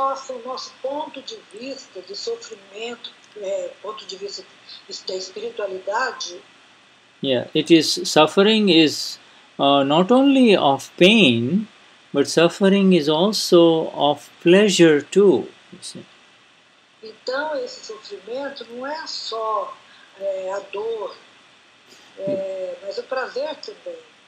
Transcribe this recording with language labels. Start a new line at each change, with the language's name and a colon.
Portuguese: Então, o nosso ponto de vista de sofrimento, ponto de vista da espiritualidade.
English: Yeah, it is suffering is not only of pain, but suffering is also of pleasure too. You see.
Portuguese: Então, esse sofrimento não é só a dor, mas o prazer também.